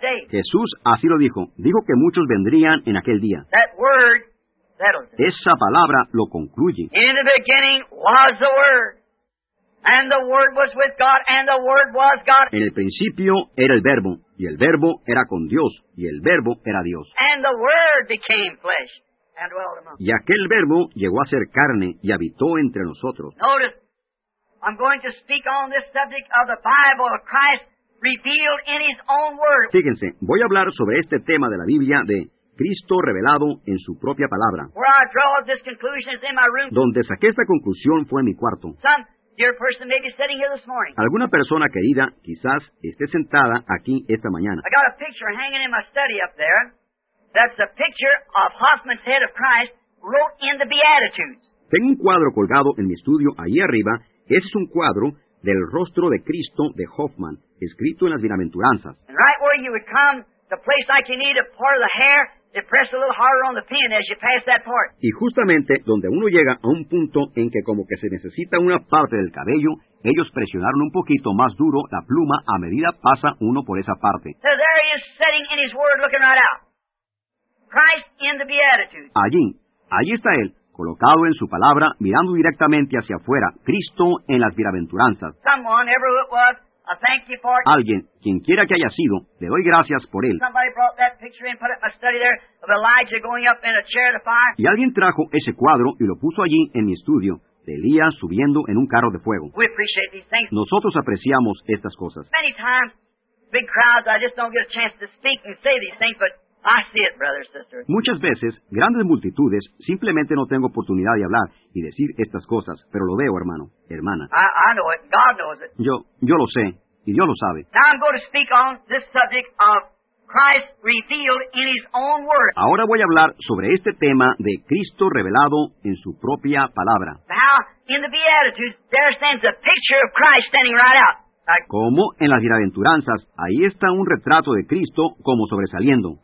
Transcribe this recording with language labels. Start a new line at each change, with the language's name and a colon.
Spanish: Jesús así lo dijo. Dijo que muchos vendrían en aquel día.
English: That word settles it.
Spanish: Esa palabra lo concluye.
English: In the beginning was the word. And the word was with God and the word was God.
Spanish: En el principio era el verbo. Y el verbo era con Dios, y el verbo era Dios.
English: And the word became flesh and dwelt among us.
Spanish: Y aquel verbo llegó a ser carne y habitó entre nosotros.
English: Notice, I'm going to speak on this subject of the Bible of Christ revealed in his own word.
Spanish: Fíjense, voy a hablar sobre este tema de la Biblia de Cristo revelado en su propia palabra.
English: Where I draw this conclusion is in my room.
Spanish: Donde saqué esta conclusión fue en mi cuarto.
English: Your person may be sitting here this morning.
Spanish: Alguna persona querida quizás esté sentada aquí esta mañana.
English: I got a picture hanging in my study up there. That's a picture of Hoffman's head of Christ wrote in the Beatitudes.
Spanish: Tengo un cuadro colgado en mi estudio ahí arriba. Ese es un cuadro del rostro de Cristo de Hoffman, escrito en las Bienaventuranzas.
English: And right where you would come, the place like you need a part of the hair. They press a little harder on the pin as you pass that part.
Spanish: Y justamente donde uno llega a un punto en que como que se necesita una parte del cabello, ellos presionaron un poquito más duro la pluma a medida pasa uno por esa parte.
English: So there he is sitting in his word looking right out. Christ in the Beatitudes.
Spanish: Allí está él, colocado en su palabra, mirando directamente hacia afuera, Cristo en las Bienaventuranzas.
English: Someone, ever it was, I thank you for it.
Spanish: Alguien, quien quiera que haya sido, le doy gracias por él.
English: Somebody brought that picture in, put it in my study there of Elijah going up in a chair of fire.
Spanish: Y alguien trajo ese cuadro y lo puso allí en mi estudio, de Elías subiendo en un carro de fuego.
English: We appreciate these things.
Spanish: Nosotros apreciamos estas cosas.
English: Many times, big crowds, I just don't get a chance to speak and say these things, but I see it, brother, sister.
Spanish: Muchas veces, grandes multitudes, simplemente no tengo oportunidad de hablar y decir estas cosas, pero lo veo, hermano, hermana.
English: I know it. God knows it.
Spanish: Yo lo sé, y Dios lo sabe.
English: Now I'm going to speak on this subject of Christ revealed in his own word.
Spanish: Ahora voy a hablar sobre este tema de Cristo revelado en su propia palabra.
English: Now, in the Beatitudes, there stands a picture of Christ standing right out.
Spanish: Como en las Bienaventuranzas, ahí está un retrato de Cristo como sobresaliendo.